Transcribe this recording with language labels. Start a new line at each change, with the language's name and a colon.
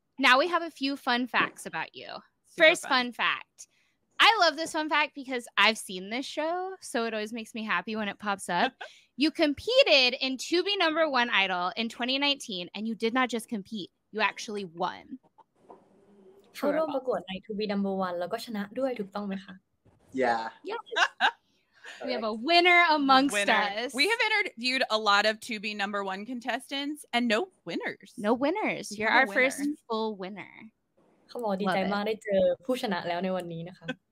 English: Now we have a few fun facts about you. First fun fact. I love this fun fact because I've seen this show, so it always makes me happy when it pops up. You competed in 2B Number One Idol in 2019, and you did not just compete. You actually won.
Thai: เขาร่วมประกวดใน 2B Number One แล้วก็ชนะด้วยถูกต้องไหมคะ
English: Yeah yes. We have a winner amongst winner. us. We have interviewed a lot of 2B Number One contestants and no winners. No winners. You're our first full winner.
Thai: เขาบอกดีใจมากได้เจอผู้ชนะแล้วในวันนี้นะคะ